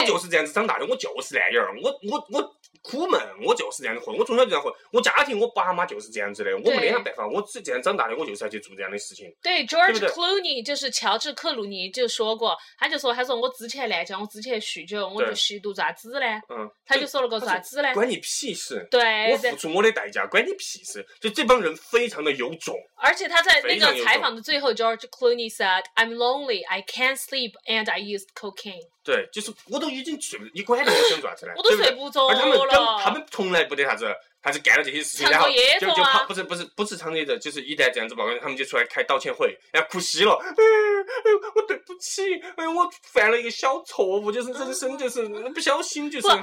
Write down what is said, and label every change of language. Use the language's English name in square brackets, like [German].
[Chinese] 我就是这样子长大的，我就是烂眼儿，我苦闷，我就是这样子混，我从小就这样混，我家庭我爸妈就是这样子的，我没那样办法，我是这样长大的，我就是要去做这样的事情。对 ，George 对对 Clooney 就是乔治·克鲁尼就说过，他说我之前来讲，我之前酗酒，我就吸毒咋子嘞？他就说了个咋子嘞？关你屁事！对，我付出我的代价，关你屁事！就这帮人非常的有种。而且他在那个采访的最后 [English] ，George Clooney said, "I'm lonely, I can't sleep, and I used cocaine." [Chinese] 对，就是我都已经睡不，你管他想做啥子呢？我都睡不着了。而他们从来不得啥子，还是干了这些事情，然后就跑，不是唱这个，就是一旦这样子曝光，他们就出来开道歉会，然后哭稀了，我对不起，我犯了一个小错误，就是人生就是不小心，就是。